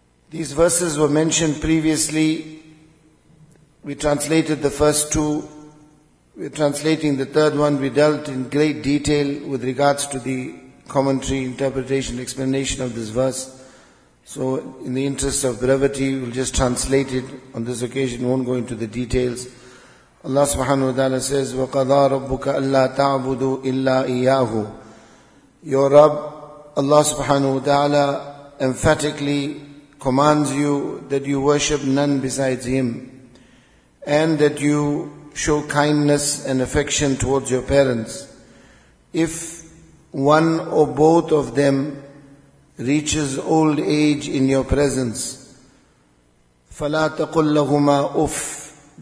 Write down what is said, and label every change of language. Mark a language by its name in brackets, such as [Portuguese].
[English] These verses were mentioned previously. We translated the first two. We're translating the third one. We dealt in great detail with regards to the commentary, interpretation, explanation of this verse. So in the interest of brevity, we'll just translate it on this occasion. Won't go into the details. Allah subhanahu wa ta'ala says, [Arabic] وَقَضَى رَبُّكَ أَلَّا تَعْبُدُوا إِلَّا إِيَّاهُ. [English] Your Rabb, Allah subhanahu wa ta'ala, emphatically commands you that you worship none besides Him, and that you show kindness and affection towards your parents. If one or both of them reaches old age in your presence, [Arabic] فَلَا تَقُلْ لَهُمَا أُفْ.